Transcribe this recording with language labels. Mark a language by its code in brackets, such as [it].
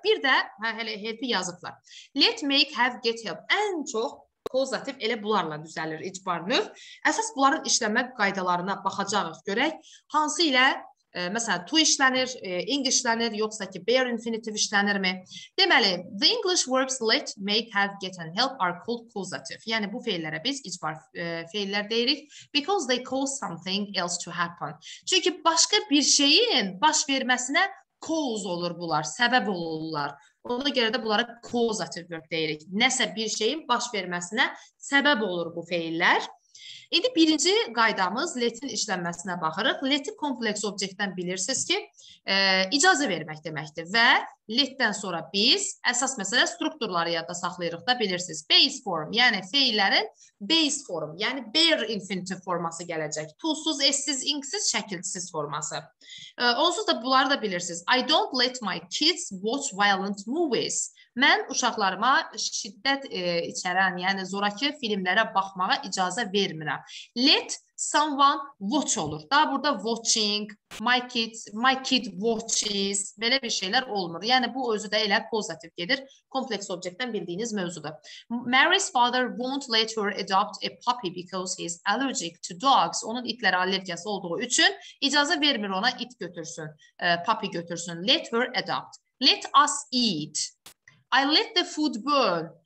[az] Bir də hələ help-i yazıblar. Let, make, have, get, help. Ən çox causative elə bunlarla düzəlir icbar növ. Əsas bunların işləmə qaydalarına baxacağıq görək. Hansı ilə, məsələn, to işlənir, ing işlənir, yoxsa ki, bare infinitive işlənirmi? Deməli, [en] the English verbs let, make, have, get and help are called causative. [az] Yəni bu feillərə biz icbar feillər deyirik. [en] Because they cause something else to happen. [az] Çünki başqa bir şeyin baş verməsinə cause olur bunlar, səbəb olurlar. Ona görə də bunlara causative verb deyirik. Nəsə bir şeyin baş verməsinə səbəb olur bu feillər. İndi birinci qaydamız let-in işlənməsinə baxırıq. Let-i kompleks objektdən bilirsiniz ki, icazə vermək deməkdir. Və let-dən sonra biz əsas məsələ strukturları yadda saxlayırıq da bilirsiniz. Base form, yəni feillərin base form, yəni bare infinitive forması gələcək. Tulsuz, essiz, inksiz, şəkilsiz forması. Onsuz da bunları da bilirsiniz. [en] I don't let my kids watch violent movies. [az] Mən uşaqlarıma şiddət içərən, yəni zorakı filmlərə baxmağa icazə vermirəm. Let someone watch olur. Daha burada watching, [en] my kid watches, [az] belə bir şeylər olmur. Yəni bu özü də elə pozitiv gedir, kompleks objektdən bildiyiniz mövzudur. [en] Mary's father won't let her adopt a puppy because he's allergic to dogs. [az] Onun itlərə allergiyası olduğu üçün icazə vermir ona it götürsün, puppy götürsün. [en] Let her adopt. Let us eat. I let the food burn.